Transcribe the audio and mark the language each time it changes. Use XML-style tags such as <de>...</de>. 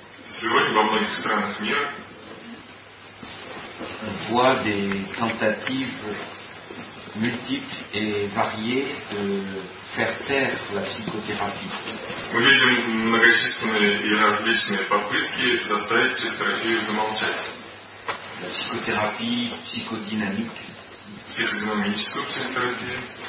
<ru>сегодня во многих странах мира,</ru> <fr>on voit des tentatives multiples et variées de faire taire la psychothérapie.</fr> <ru>Мы видим многочисленные и различные попытки заставить психотерапию замолчать.</ru> <fr>La psychothérapie psychodynamique.</fr> <ru>Психодинамическую психотерапию.</ru>